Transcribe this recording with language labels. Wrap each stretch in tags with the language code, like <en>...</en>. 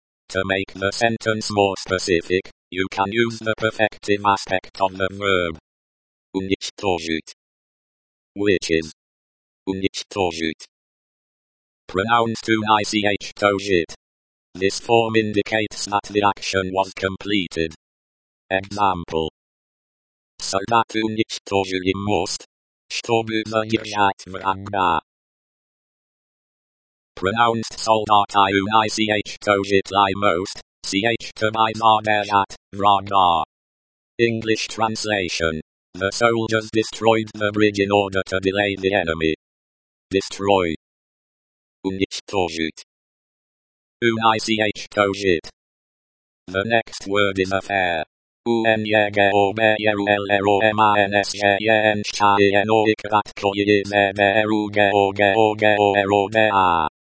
<en>To make the sentence more specific, you can use the perfective aspect of the verb</en> <ru>уничтожить,</ru> <en>which is</en> <ru>уничтожить.</ru> <en>Pronounced уничтожить. This form indicates that the action was completed. Example.</en> <ru>Солдаты уничтожили мост, чтобы задержать врага.</ru> <en>Pronounced</en> <ru>солдаты уничтожили мост, чтобы задержать врага.</ru> <en>English translation. The soldiers destroyed the bridge in order to delay the enemy. Destroy.</en> <ru>Уничтожить.</ru> <en>Уничтожить. The next word is affair.</en>